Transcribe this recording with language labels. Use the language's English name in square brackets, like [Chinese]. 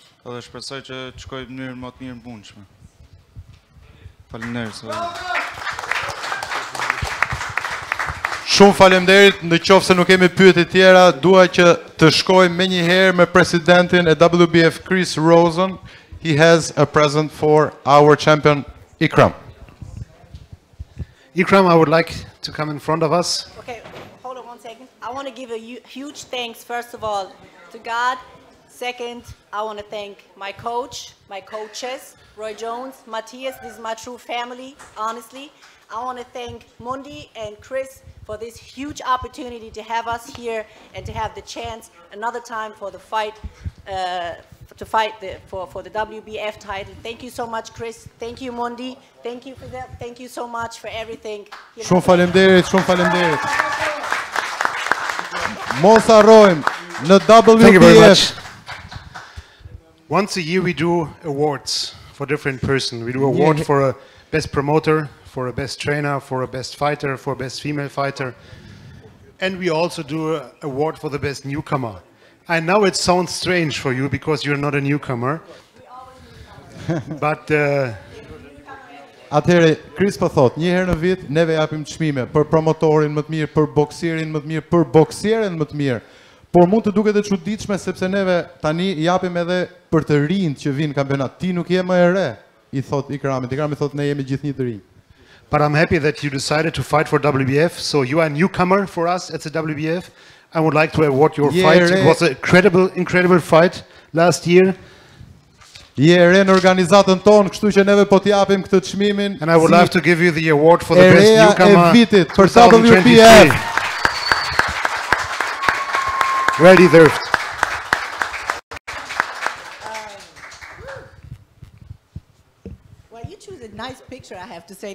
[Albanian] Edhe shpresoj që të shkojë në mënyrë më të mirë mundshme. Faleminderit. Shumë faleminderit. Nëse nuk kemi pyetje të tjera, dua që të shkojmë menjëherë me presidentin e WBF Chris Rosen. [English] He has a present for our champion Ikram. Ikram, I would like to come in front of us. Okay, hold on one second. I want to give a huge thanks first of all to God. Second, I want to thank my coach, my coaches, Roy Jones, Matthias, this is my true family, honestly. I want to thank Mundi and Chris for this huge opportunity to have us here and to have the chance another time for the fight, to fight the, for the WBF title. Thank you so much, Chris. Thank you, Mundi. Thank you for that. Thank you so much for everything. [Albanian] Shumë faleminderit, shumë faleminderit. Mos harrojmë në WBF. [English] Once a year we do awards for different person. We do award for a best promoter, for a best trainer, for a best fighter, for a best female fighter. And we also do a award for the best newcomer. I know it sounds strange for you because you're not a newcomer. But [Albanian] atëherë Chris po thot, një herë në vit neve japim çmime për promotorin më të mirë, për boksierin më të mirë, për boksieren më të mirë. Por mund të duket e çuditshme sepse neve tani japim edhe për të rinjt që vin kampionat. Ti nuk je më e re, i thot Ikramit. Ikrami thot ne jemi gjithë një të rinj. [English] But I'm happy that you decided to fight for WBF, so you are a newcomer for us at the WBF. I would like to award your fight. Re. It was an incredible, incredible fight last year. [Albanian] Je e re në organizatën tonë, kështu që neve po t'japim këtë çmimin. [English] And I would love to give you the award for the best newcomer. [Albanian] E vitit për WBF. [English] Well deserved. Well, you choose a nice picture, I have to say.